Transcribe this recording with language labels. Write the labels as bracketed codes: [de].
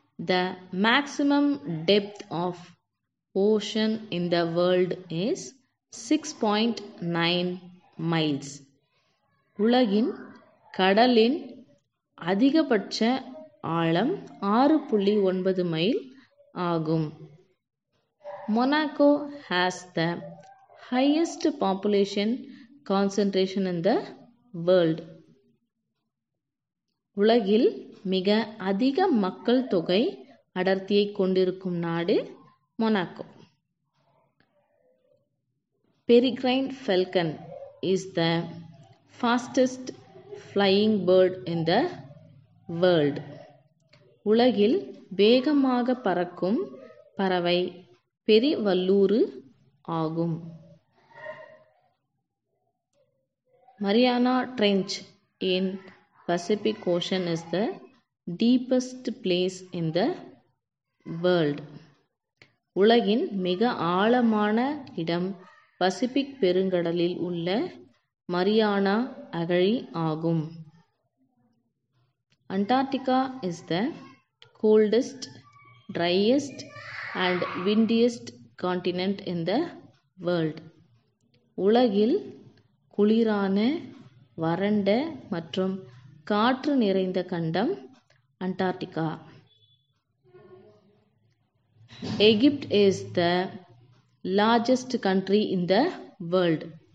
[en] The maximum depth of ocean in the world is 6.9 miles. [ta] உலகின் கடலின் அதிகபட்ச ஆழம் 6.9 மைல் ஆகும். [en] Monaco has the highest population concentration in the world. [ta] உலகில் மிக அதிக மக்கள் தொகை அடர்த்தியை கொண்டிருக்கும் நாடு Monaco. [en] Peregrine falcon is the fastest flying bird in the world. [ta] உலகில் வேகமாக பறக்கும் பறவை பெரிவல்லூறு ஆகும். [en] Mariana Trench in Pacific Ocean is the deepest place in the world. [ta] உலகின் மிக ஆழமான இடம் பசிபிக் பெருங்கடலில் உள்ள மரியானா அகழி ஆகும். [en] Antarctica is the coldest, driest and windiest continent in the world. [ta] உலகில் குளிரான, வறண்ட மற்றும் காற்று நிறைந்த கண்டம் Antarctica. [en] Egypt is the largest country in the world.